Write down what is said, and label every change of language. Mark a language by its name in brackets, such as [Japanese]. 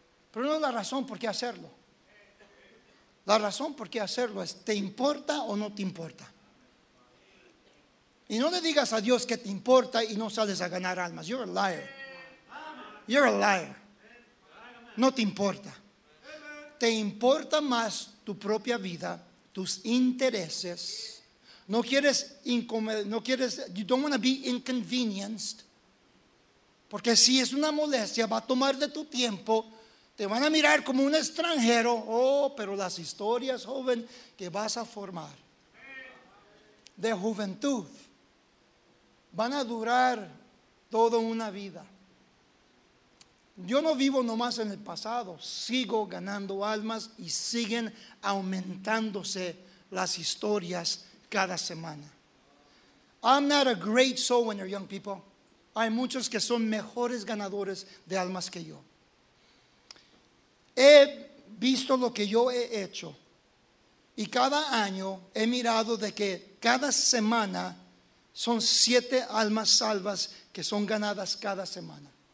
[Spanish] Pero no es la razón por qué hacerlo. La razón por qué hacerlo es, ¿te importa o no te importa? Y no le digas a Dios que te importa y no sales a ganar almas. [English] You're a liar. You're a liar. [Spanish] No te importa. Te importa más tu propia vida, tus intereses. No quieres, [English] you don't want to be inconvenienced. [Spanish] Porque si es una molestia, va a tomar de tu tiempo. Te van a mirar como un extranjero. Oh, pero las historias, joven, que vas a formar de juventud van a durar toda una vida. Yo no vivo nomás en el pasado, sigo ganando almas y siguen aumentándose las historias cada semana. [English] I'm not a great soul winner, young people. [Spanish] Hay muchos que son mejores ganadores de almas que yo. He visto lo que yo he hecho y cada año he mirado de que cada semana son 7 almas salvas que son ganadas cada semana.